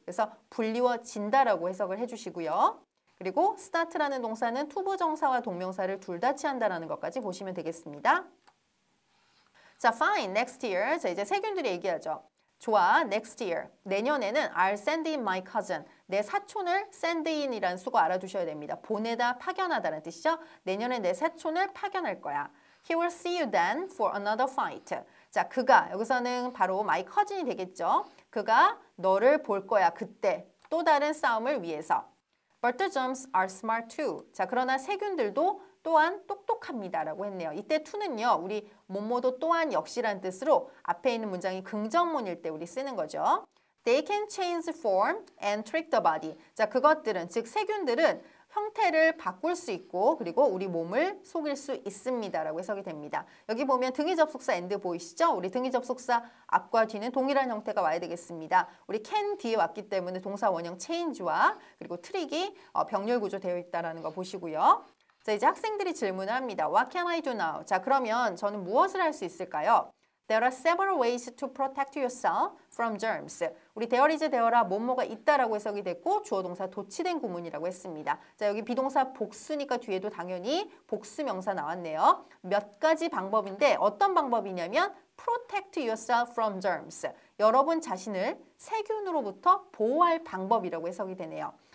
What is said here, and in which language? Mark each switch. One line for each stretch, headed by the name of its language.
Korean: 그래서 불리워진다라고 해석을 해주시고요. 그리고 start라는 동사는 투부정사와 동명사를 둘다 취한다라는 것까지 보시면 되겠습니다.
English: 자, fine. Next year.
Korean: 자, 이제 세균들이 얘기하죠. 좋아.
English: Next year.
Korean: 내년에는
English: I'll send in my cousin.
Korean: 내 사촌을 send in이라는 수거 알아두셔야 됩니다. 보내다, 파견하다는 뜻이죠. 내년에 내 사촌을 파견할 거야.
English: He will see you then for another fight.
Korean: 자, 그가. 여기서는 바로
English: my cousin
Korean: 이 되겠죠. 그가 너를 볼 거야. 그때. 또 다른 싸움을 위해서.
English: But the germs are smart too.
Korean: 자, 그러나 세균들도 또한 똑똑합니다라고 했네요. 이때 to는요, 우리 뭐뭐도 또한 역시란 뜻으로 앞에 있는 문장이 긍정문일 때 우리 쓰는 거죠.
English: They can change form and trick the body.
Korean: 자, 그것들은, 즉 세균들은 형태를 바꿀 수 있고, 그리고 우리 몸을 속일 수 있습니다라고 해석이 됩니다. 여기 보면 등이 접속사 end 보이시죠? 우리 등이 접속사 앞과 뒤는 동일한 형태가 와야 되겠습니다. 우리 can 뒤에 왔기 때문에 동사 원형 change와 그리고 trick이 병렬 구조되어 있다는 거 보시고요. 자, 이제 학생들이 질문을 합니다.
English: What can I do now?
Korean: 자, 그러면 저는 무엇을 할수 있을까요?
English: There are several ways to protect yourself from germs.
Korean: 우리 there is, there are, 뭐뭐가 있다라고 해석이 됐고, 주어 동사 도치된 구문이라고 했습니다. 자, 여기 비동사 복수니까 뒤에도 당연히 복수 명사 나왔네요. 몇 가지 방법인데, 어떤 방법이냐면,
English: protect yourself from germs.
Korean: 여러분 자신을 세균으로부터 보호할 방법이라고 해석이 되네요.